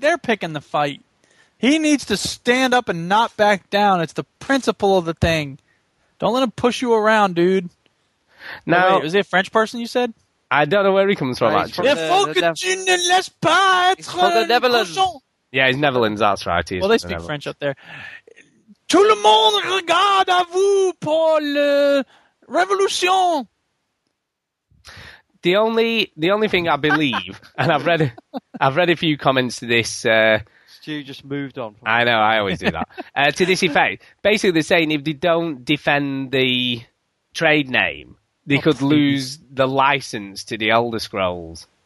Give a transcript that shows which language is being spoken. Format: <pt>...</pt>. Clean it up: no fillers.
<en>They're picking the fight. He needs to stand up and not back down. It's the principle of the thing. Don't let him push you around, dude. Now, wait, was it a French person you said? I don't know where he comes from, actually. He's from the Netherlands. Yeah, he's Netherlands, that's right. Well, they speak French up there.</en> <fr>Tout le monde regarde à vous pour la révolution.</fr> <en>The only thing I believe, and I've read a few comments to this... Stu just moved on. I know, I always do that. To this effect, basically they're saying if they don't defend the trade name, they could lose the license to the Elder Scrolls.</en>